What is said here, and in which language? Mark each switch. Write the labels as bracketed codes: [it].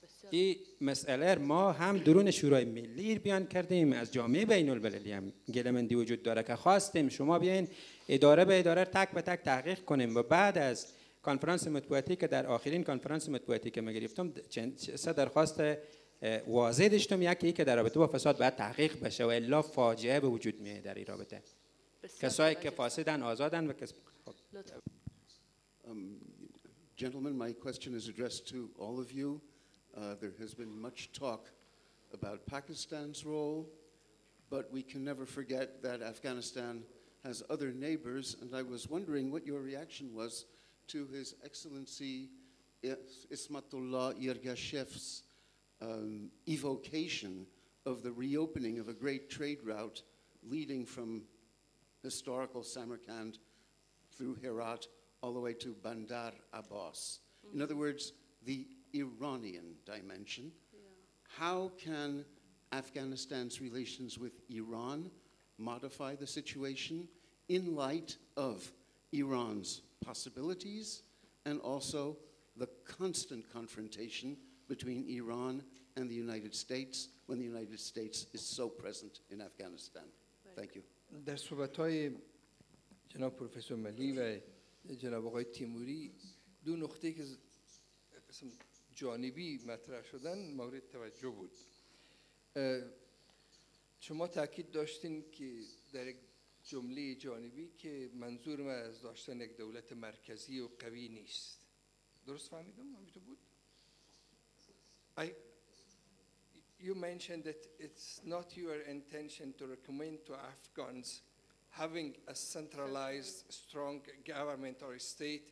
[fa] این مسئله ما هم درون شورای ملی بیان کردیم، از جامعه بین المللی هم گلمندی وجود داره که خواستیم شما بیاین اداره به اداره تک به تک تحقیق کنیم و بعد از کنفرانس مطبوعاتی که در آخرین کنفرانس مطبوعاتی که من گرفتم سه درخواست واضح داشتم، یکی ای که در رابطه با فساد باید تحقیق بشه و الا فاجعه به وجود میاد در این رابطه، کسایی که فاسدن آزادن و کس خب. [en] Gentlemen, my question is addressed to all of you. There has been much talk about Pakistan's role, but we can never forget that Afghanistan has other neighbors, and I was wondering what your reaction was to His Excellency Ismatullah Yirgacheff's evocation of the reopening of a great trade route leading from historical Samarkand through Herat all the way to Bandar Abbas. Mm-hmm. In other words, the Iranian dimension. Yeah. How can Afghanistan's relations with Iran modify the situation in light of Iran's possibilities and also the constant confrontation between Iran and the United States when the United States is so present in Afghanistan? Thank you. [fa] در صحبت‌های جناب پروفسور ملی و جناب آقای تیموری دو نقطه که جانبی مطرح شدن مورد توجه بود. شما تاکید داشتین که در جمله جانبی که منظور ما از داشتن یک دولت مرکزی و قوی نیست. درست فهمیدم همینطور بود؟ [en] You mentioned that it's not your intention to recommend to Afghans having a centralized strong government or state.